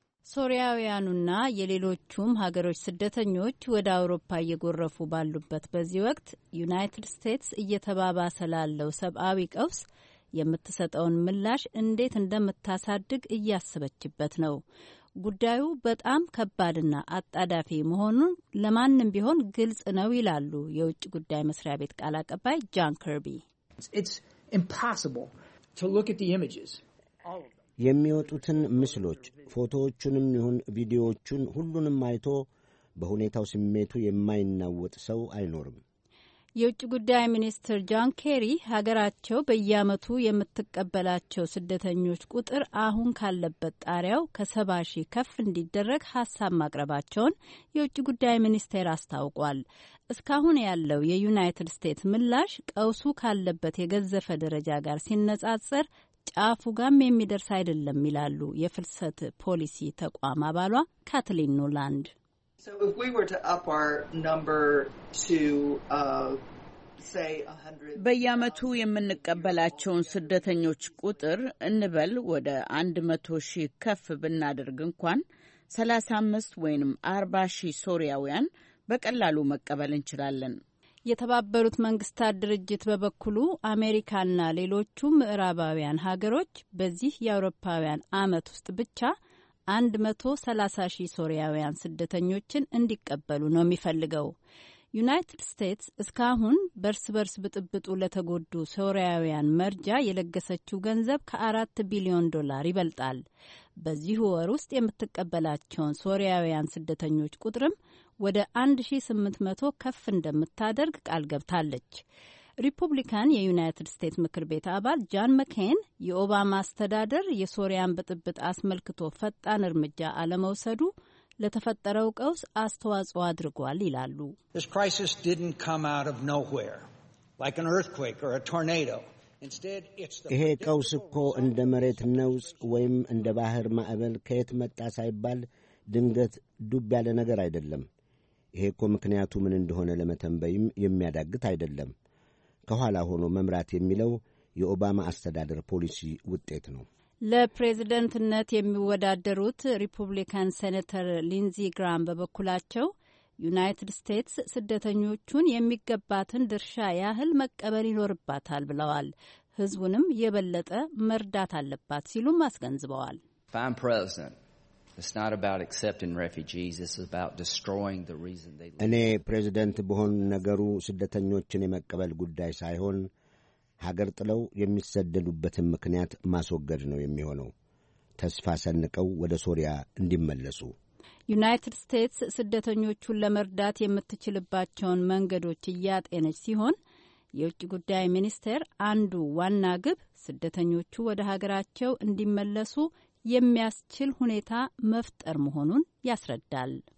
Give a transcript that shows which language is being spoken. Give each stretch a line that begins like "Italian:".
Amharic: ሶሪያውያኑና የሌሎቹም ሀገሮች ስደተኞች ወደ አውሮፓ እየጎረፉ ባሉበት በዚህ ወቅት ዩናይትድ ስቴትስ እየተባባሰ ላለው ሰብአዊ ቀውስ የምትሰጠውን ምላሽ እንዴት እንደምታሳድግ እያሰበችበት ነው። ጉዳዩ በጣም ከባድና አጣዳፊ መሆኑን ለማንም ቢሆን ግልጽ ነው ይላሉ የውጭ ጉዳይ መስሪያ ቤት ቃል አቀባይ ጃን ከርቢ።
English: It's impossible to look at the images.
Amharic: የሚወጡትን ምስሎች ፎቶዎቹንም ይሁን ቪዲዮዎቹን ሁሉንም አይቶ በሁኔታው ስሜቱ የማይናወጥ ሰው አይኖርም። የውጭ ጉዳይ ሚኒስትር ጃን ኬሪ ሀገራቸው በየአመቱ የምትቀበላቸው ስደተኞች ቁጥር አሁን ካለበት ጣሪያው ከሰባ ሺህ ከፍ እንዲደረግ ሀሳብ ማቅረባቸውን የውጭ ጉዳይ ሚኒስቴር አስታውቋል። እስካሁን ያለው የዩናይትድ ስቴትስ ምላሽ ቀውሱ ካለበት የገዘፈ ደረጃ ጋር ሲነጻጸር ጫፉ ጋም የሚደርስ አይደለም ይላሉ የፍልሰት ፖሊሲ ተቋም አባሏ ካትሊን ኖላንድ።
English: So if we were to up our number to say 100
Amharic: በየአመቱ የምንቀበላቸውን ስደተኞች ቁጥር እንበል ወደ 100 ሺህ ከፍ ብናደርግ እንኳን 35 ወይንም 40 ሺህ ሶሪያውያን በቀላሉ መቀበል እንችላለን። የተባበሩት መንግስታት ድርጅት በበኩሉ አሜሪካና ሌሎችም ምዕራባውያን ሀገሮች በዚህ የአውሮፓውያን አመት ውስጥ ብቻ 130 ሺህ ሶሪያውያን ስደተኞችን እንዲቀበሉ ነው የሚፈልገው። ዩናይትድ ስቴትስ እስካሁን በርስ በርስ ብጥብጡ ለተጎዱ ሶሪያውያን መርጃ የለገሰችው ገንዘብ ከ4 ቢሊዮን ዶላር ይበልጣል። በዚህ ወር ውስጥ የምትቀበላቸውን ሶሪያውያን ስደተኞች ቁጥርም ወደ 1800 ከፍ እንደምታደርግ ቃል ገብታለች። ሪፑብሊካን የዩናይትድ ስቴትስ ምክር ቤት አባል ጃን መኬን የኦባማ አስተዳደር የሶሪያን ብጥብጥ አስመልክቶ ፈጣን እርምጃ አለመውሰዱ ለተፈጠረው ቀውስ አስተዋጽኦ አድርጓል ይላሉ።
English: This crisis didn't come out of nowhere like an earthquake or a tornado. Instead, it's the
Amharic: ይሄ ቀውስ እኮ እንደ መሬት ነውጽ ወይም እንደ ባህር ማዕበል ከየት መጣ ሳይባል ድንገት ዱብ ያለ ነገር አይደለም። ይሄ እኮ ምክንያቱ ምን እንደሆነ ለመተንበይም የሚያዳግት አይደለም። ከኋላ ሆኖ መምራት የሚለው የኦባማ አስተዳደር ፖሊሲ ውጤት ነው። ለፕሬዝደንትነት የሚወዳደሩት ሪፑብሊካን ሴኔተር ሊንዚ ግራም በበኩላቸው ዩናይትድ ስቴትስ ስደተኞቹን የሚገባትን ድርሻ ያህል መቀበል ይኖርባታል ብለዋል። ህዝቡንም የበለጠ መርዳት አለባት ሲሉም አስገንዝበዋል። ፋም ፕሬዝደንት
English: It's not about accepting refugees. It's about destroying the reason they live.
Amharic: እኔ ፕሬዝደንት ብሆን ነገሩ ስደተኞችን የመቀበል ጉዳይ ሳይሆን ሀገር ጥለው የሚሰደዱበትን ምክንያት ማስወገድ ነው የሚሆነው፣ ተስፋ ሰንቀው ወደ ሶሪያ እንዲመለሱ። ዩናይትድ ስቴትስ ስደተኞቹን ለመርዳት የምትችልባቸውን መንገዶች እያጤነች ሲሆን የውጭ ጉዳይ ሚኒስቴር አንዱ ዋና ግብ ስደተኞቹ ወደ ሀገራቸው እንዲመለሱ የሚያስችል ሁኔታ መፍጠር መሆኑን ያስረዳል።